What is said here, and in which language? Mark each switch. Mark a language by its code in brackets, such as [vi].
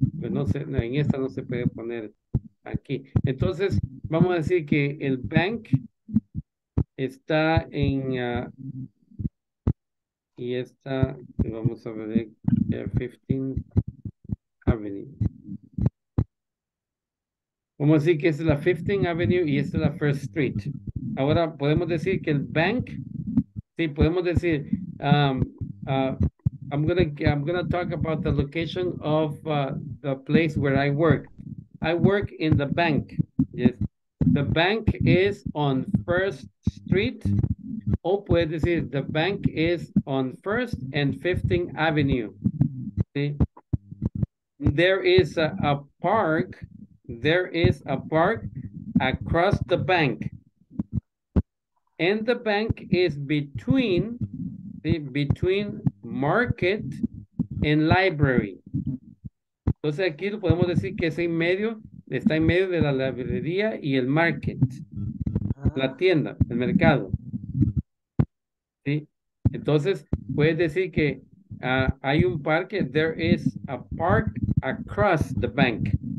[es] Pues no sé, en esta no se puede poner aquí. Entonces, vamos a decir que el bank está en. Y esta, vamos a ver, 15th Avenue. Vamos a decir que esta es la 15th Avenue y esta es la First Street. Ahora podemos decir que el bank. Sí, podemos decir, [en] I'm gonna talk about the location of the place where I work. I work in the bank. Yes. The bank is on First Street. [es] O puede decir, [en] the bank is on First and 15th Avenue. [es] Sí. [en] There is a park. There is a park across the bank. And the bank is between, between market and library. [es] Entonces aquí lo podemos decir que es en medio, está en medio de la librería y el market. La tienda, el mercado. ¿Sí? Entonces puedes decir que hay un parque, [en] there is a park across the bank.